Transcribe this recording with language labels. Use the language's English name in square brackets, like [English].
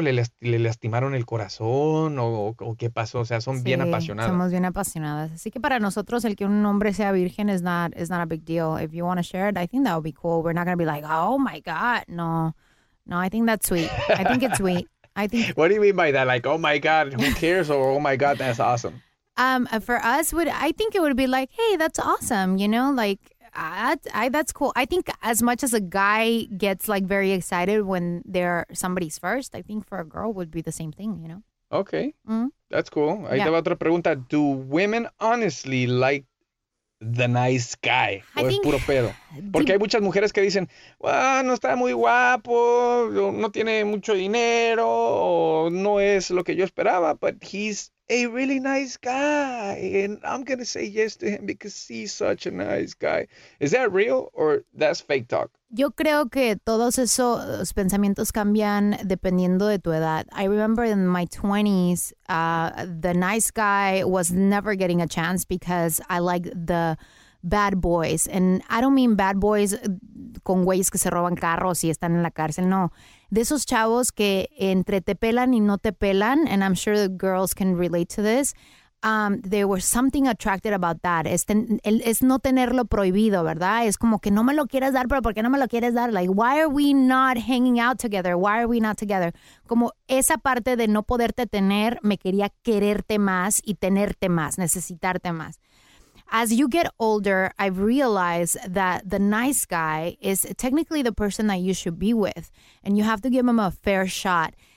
[Spanish] ¿Le lastimaron el corazón? ¿O qué pasó? O sea, son bien apasionadas. Somos bien apasionadas. Así que para nosotros, el que un hombre sea virgen [English] is not a big deal. If you want to share it, I think that would be cool. We're not going to be like, oh my God. No, I think that's sweet. I think it's sweet. What do you mean by that? Like, oh my God, who cares? Or, oh my God, that's awesome. For us, I think it would be like, hey, that's awesome. You know, like, that's cool. I think as much as a guy gets like very excited when they're somebody's first, I think for a girl would be the same thing, you know? [Spanish] Okay. Mm-hmm. [English] That's cool. [Spanish] Ahí te va otra pregunta. [English] Do women honestly like the nice guy? [Spanish] ¿O es puro pedo? Porque hay muchas mujeres que dicen, well, no está muy guapo, no tiene mucho dinero, o no es lo que yo esperaba, [English] but he's a really nice guy, and I'm going to say yes to him because he's such a nice guy. Is that real or that's fake talk? [Spanish] Yo creo que todos esos pensamientos cambian dependiendo de tu edad. [English] I remember in my 20s, the nice guy was never getting a chance because I like the bad boys. And I don't mean bad boys [Spanish] con güeyes que se roban carros y están en la cárcel, no. De esos chavos que entre te pelan y no te pelan, [English] and I'm sure the girls can relate to this, There was something attracted about that. [Spanish] Es no tenerlo prohibido, ¿verdad? Es como que no me lo quieres dar, pero ¿por qué no me lo quieres dar? [English] Like, why are we not hanging out together? Why are we not together? [Spanish] Como esa parte de no poderte tener, me quería quererte más y tenerte más, necesitarte más. [English] As you get older, I've realized that the nice guy is technically the person that you should be with, and you have to give him a fair shot.